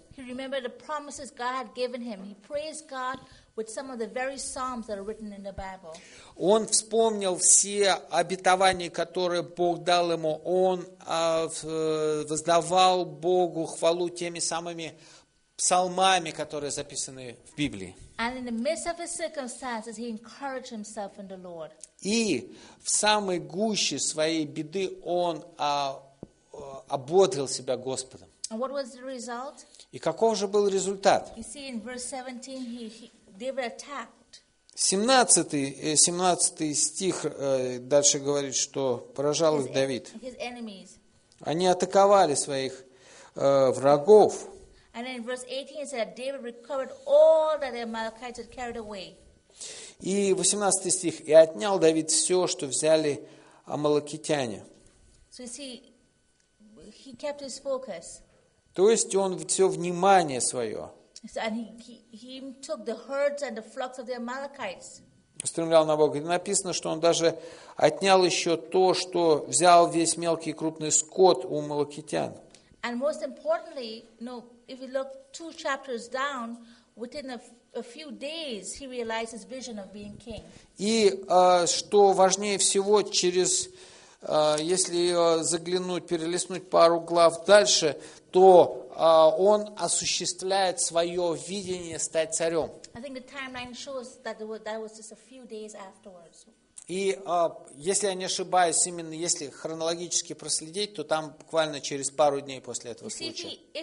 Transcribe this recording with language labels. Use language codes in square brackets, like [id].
[en] He remembered the promises God had given him. He praised God with some of the very psalms that are written in the Bible. [ru] Он вспомнил все обетования, которые Бог дал ему. Он воздавал Богу хвалу теми самыми псалмами, которые записаны в Библии. [en] And in the midst of his circumstances, he encouraged himself in the Lord. [ru] И в самой гуще своей беды он ободрил себя Господом. [en] And what was the result? [ru] И каков же был результат? [en] You see, in verse 17, David attacked. [ru] 17 стих дальше говорит, что поражал их Давид. [en] His enemies. [ru] Они атаковали своих врагов. [en] And in verse 18 it said David recovered all that the Amalekites had carried away. [ru] И 18 стих, и отнял Давид все, что взяли амалекитяне. [en] So you see, he kept his focus. [ru] То есть он все внимание свое. [en] And he took the herds and the flocks of the Amalekites. [ru] Устремлял на Бога. И написано, что он даже отнял еще то, что взял весь мелкий и крупный скот у амалекитян. [en] And most importantly, if you look two chapters down, within a few days, he realized his vision of being king. [ru] И что важнее всего, через, если заглянуть, перелистнуть пару глав дальше, то он осуществляет свое видение стать царем. [en] I think the timeline shows that that was just a few days afterwards. [ru] И если я не ошибаюсь, именно если хронологически проследить, то там буквально через пару дней после этого случая.